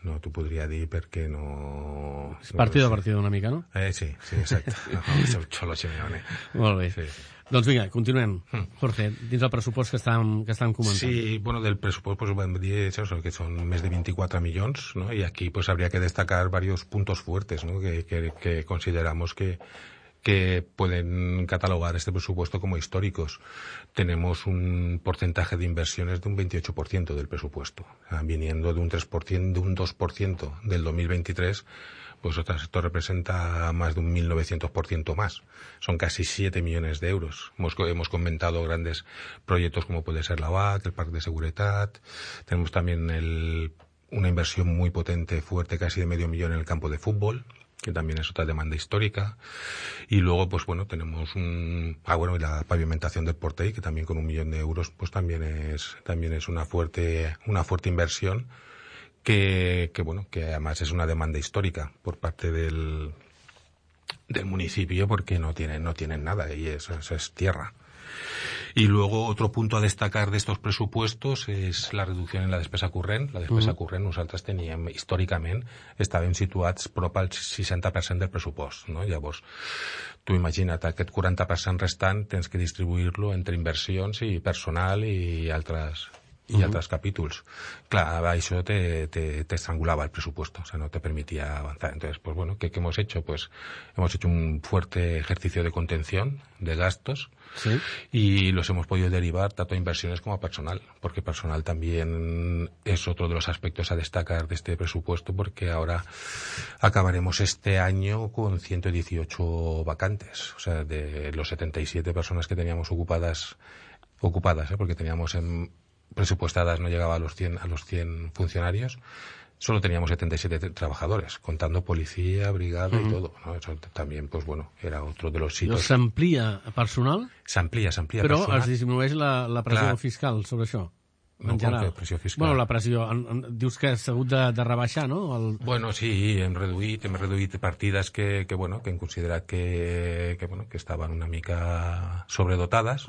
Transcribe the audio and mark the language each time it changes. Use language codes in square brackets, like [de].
[ca] No t'ho podria dir perquè no... És partida a partida una mica, no? Sí, exacte. Xolo Simeone. Molt bé. Sí. Doncs vinga, continuem. Jorge, dins el pressupost que estàvem comentant. Sí, bueno, del pressupost pues, vam dir això, que són més de 24 milions, no? [es] I aquí pues, habría que destacar varios puntos fuertes, no? que consideramos que pueden catalogar este presupuesto como históricos. Tenemos un porcentaje de inversiones de un 28% del presupuesto, viniendo de un 3%, de un 2% del 2023, pues otras, esto representa más de un 1.900% más. Son casi 7 millones de euros. Hemos comentado grandes proyectos como puede ser la OAT, el Parque de Seguridad. Tenemos también una inversión muy potente, fuerte, casi de medio millón en el campo de fútbol, que también es otra demanda histórica. Y luego, pues bueno, tenemos la pavimentación del Portei, que también con 1 millón de euros, pues también es una fuerte inversión. Que además es una demanda histórica por parte del municipio, porque no tienen nada y eso es tierra. Y luego otro punto a destacar de estos presupuestos es la reducción en la despesa corrent. [ca] La despesa corrent nosaltres teníem històricament, estàvem situats prop al 60% del pressupost, no? Llavors, tu imagina't, aquest 40% restant tens que distribuir-lo entre inversions i personal i altres... [es] Y otros capítulos. Claro, eso te estrangulaba el presupuesto, o sea, no te permitía avanzar. Entonces, pues bueno, ¿qué hemos hecho? Pues hemos hecho un fuerte ejercicio de contención de gastos. ¿Sí? Y los hemos podido derivar tanto a inversiones como a personal, porque personal también es otro de los aspectos a destacar de este presupuesto, porque ahora acabaremos este año con 118 vacantes, o sea, de los 77 personas que teníamos ocupadas, porque teníamos en presupuestadas, no llegaba a los 100 funcionarios, solo teníamos 77 trabajadores, contando policía, brigada y todo, ¿no? Eso también, pues bueno, era otro de los sitios. [ca] ¿S'amplia personal? S'amplia però personal. Però es disminueix la pressió fiscal sobre això? No, com que pressió fiscal? Bueno, la pressió, dius que has hagut de rebaixar, no? Bueno, sí, hem reduït partides que hem considerat que estaven una mica sobredotades.